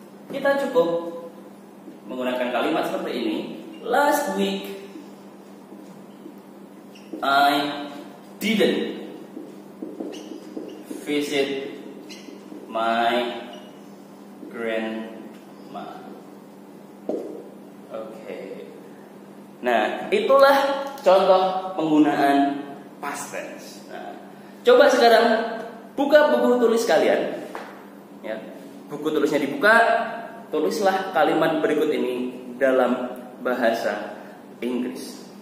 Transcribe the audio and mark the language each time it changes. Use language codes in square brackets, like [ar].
[id] Kita cukup menggunakan kalimat seperti ini. [en] Last week I didn't visit my grandma. Okay. [id] Nah, itulah contoh penggunaan past tense. Nah, coba sekarang Buka buku tulis kalian. Ya. Buku tulisnya dibuka, tulislah kalimat berikut ini dalam bahasa Inggris.